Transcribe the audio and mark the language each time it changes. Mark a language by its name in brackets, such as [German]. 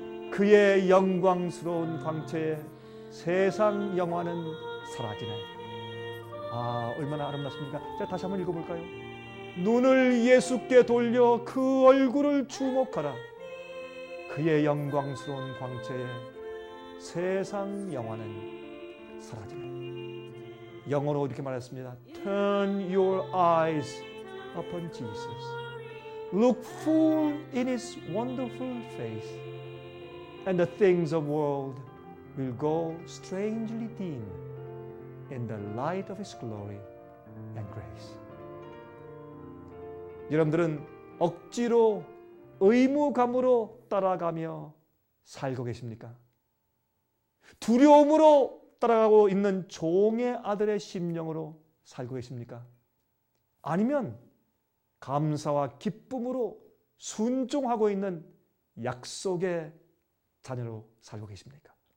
[Korean] 그의 영광스러운 광채에 세상 영화는 사라지네. 얼마나 아름답습니까? 제가 다시 한번 읽어볼까요? 눈을 예수께 돌려 그 얼굴을 주목하라. 그의 영광스러운 광채에 세상 영화는 사라지네. 영어로 이렇게 말했습니다. [English] Turn your eyes upon Jesus. Look full in his wonderful face. And the things of world will go strangely dim in the light of his glory and grace. [Korean] 여러분들은 억지로 의무감으로 따라가며 살고 계십니까? 두려움으로 따라가고 있는 종의 아들의 심령으로 살고 계십니까? 아니면 감사와 기쁨으로 순종하고 있는 약속의 자녀로 살고 계십니까?